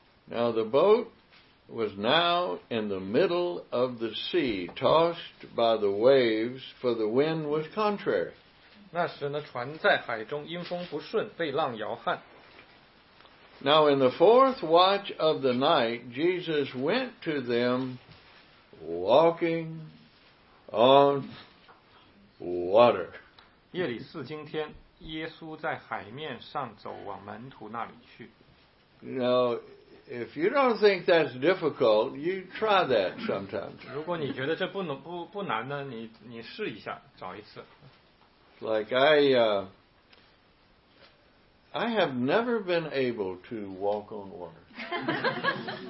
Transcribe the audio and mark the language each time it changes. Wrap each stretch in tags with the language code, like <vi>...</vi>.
<en>Now the boat was now in the middle of the sea, tossed by the waves, for the wind was contrary.</en> <zh>那时呢，船在海中，阴风不顺，被浪摇撼。</zh> <en>Now in the fourth watch of the night, Jesus went to them walking on water.</en> <zh>夜里四更天，耶稣在海面上走，往门徒那里去。</zh> <en>Now, if you don't think that's difficult, you try that sometimes.</en> <zh>如果你觉得这不难呢，你试一下，找一次。</zh> <en>Like I have never been able to walk on water.</en>